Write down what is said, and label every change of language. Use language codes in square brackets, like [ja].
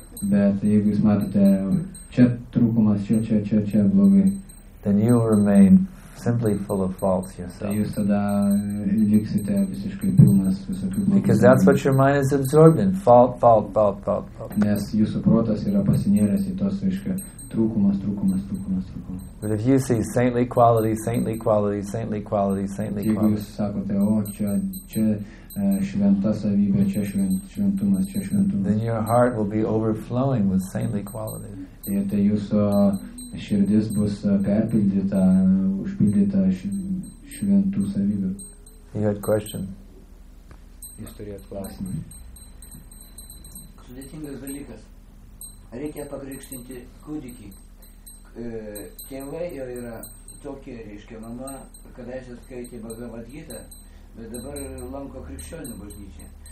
[lt] bet jeigu jūs matote čia trūkumas, čia blogai, [en] then you remain simply full of faults yourself. [lt] Jūs tada liksite visiškai pilnas visokių blogų. [en] Because that's what your mind is absorbed in, fault. [lt] Nes jūsų protas yra pasinėręs į tos reiškia trūkumas. [en] But if you see saintly qualities. [lt] Jeigu jūs sakote, o čia šventa savybė, čia šventumas. [en] Then your heart will be overflowing with saintly qualities. [lt] Ir tai jūsų širdis bus perpildyta, užpildyta šventų savybių. [en] You had question. [lt] Jūs turėjot klausimą. Sudėtingas dalykas. Reikia pakrikštinti kūdikį. Tėvai jau yra tokie, reiškia, mama, kada jis skaitė Bhagavad Gita, bet dabar lanko krikščionių bažnyčią.